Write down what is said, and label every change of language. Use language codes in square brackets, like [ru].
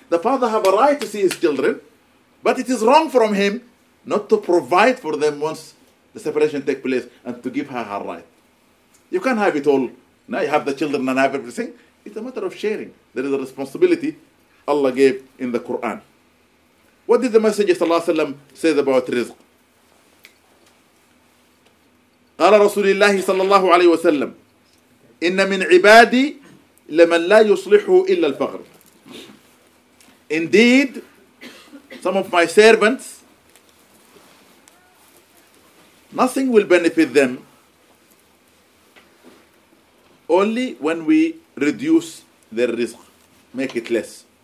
[en] The father have a right to see his children, but it is wrong from him not to provide for them once the separation takes place and to give her right. You can't have it all. Now you have the children and have everything. It's a matter of sharing. There is a responsibility Allah gave in the Quran. What did the Messenger Sallallahu Alaihi Wasallam say about rizq? [ar] قال رسول الله صلى الله عليه وسلم إن من عبادي لمن لا يصلح إلا الفقر. [en] Indeed, some of my servants, nothing will benefit them only when we reduce their rizq, make it less.